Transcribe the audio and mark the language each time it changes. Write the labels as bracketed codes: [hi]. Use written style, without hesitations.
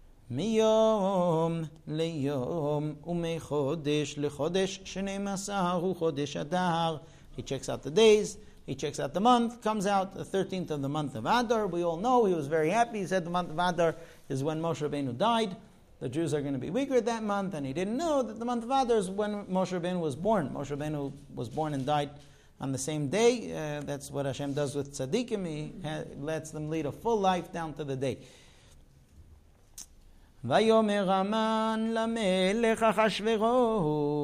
[he] מיום ליום ומחודש לחודש שנים עשר הוא חודש אדר. [en] He checks out the days, he checks out the month, comes out the 13th of the month of Adar. We all know he was very happy. He said the month of Adar is when Moshe Rabbeinu died. The Jews are going to be weaker that month, and he didn't know that the month of Adar is when Moshe Rabbeinu was born. Moshe Rabbeinu was born and died on the same day. That's what Hashem does with tzaddikim. He lets them lead a full life down to the day. [he] ויאמר המן למלך אחשוורוש.